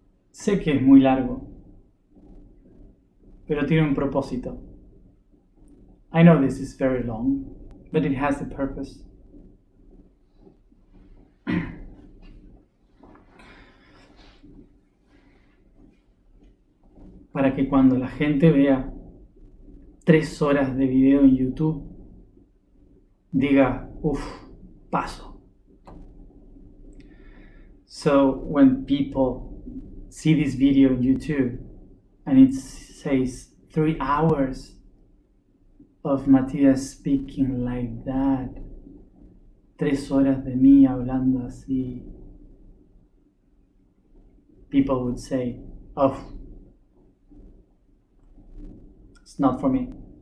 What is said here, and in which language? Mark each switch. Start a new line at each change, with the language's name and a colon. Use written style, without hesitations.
Spanish: Sé que es muy largo, pero tiene un propósito.
English: I know this is very long, but it has a purpose.
Spanish: Para que cuando la gente vea 3 horas de video en YouTube, diga, uff, paso.
English: So when people see this video on YouTube and it says 3 hours of Matías speaking like that,
Spanish: 3 horas de mí hablando así,
English: people would say, oh, it's not for me.